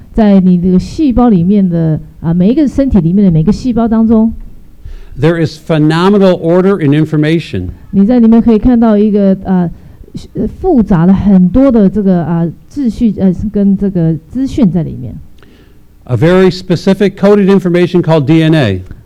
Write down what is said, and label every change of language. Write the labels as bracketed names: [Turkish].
[Chinese] 在你这个细胞里面的每一个身体里面的每个细胞当中。 [English] There is phenomenal order in information. [Chinese] 你在里面可以看到一个复杂的很多的这个秩序跟这个资讯在里面。 [English] A very specific coded information called DNA.